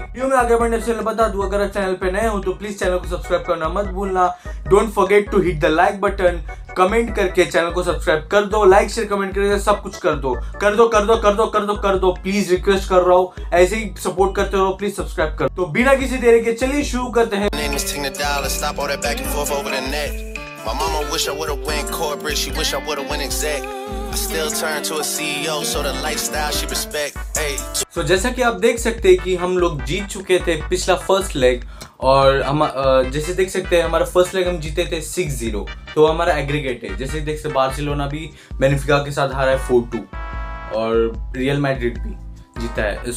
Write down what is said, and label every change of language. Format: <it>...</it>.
<hi>Video में आगे बढ़ने से पहले बता दूं, अगर आप चैनल पे नए हो तो प्लीज चैनल को सब्सक्राइब करना मत भूलना।</hi> <en>don't forget to hit the like button,</en> <hi>comment करके चैनल को सब्सक्राइब कर दो, लाइक शेयर कमेंट करके सब कुछ कर दो। प्लीज रिक्वेस्ट कर रहा हूँ, ऐसे ही सपोर्ट करते रहो, प्लीज सब्सक्राइब कर। तो बिना किसी देरी के चलिए शुरू करते हैं।</hi> <en>My mama wish I would've went corporate, she wish I would've went exec. I still turn to a CEO, so the lifestyle she respect. Hey.</en> <hi>So जैसा कि आप देख सकते हैं कि हम लोग जीत चुके थे पिछला फर्स्ट लेग, और हम जैसे देख सकते हैं हमारा फर्स्ट लेग हम जीते थे 6-0। तो हमारा एग्रीगेट है, जैसे देख सकते बार्सिलोना भी बेनफिका के साथ हारा है 4-2, और रियल मैड्रिड भी जीता है।</hi>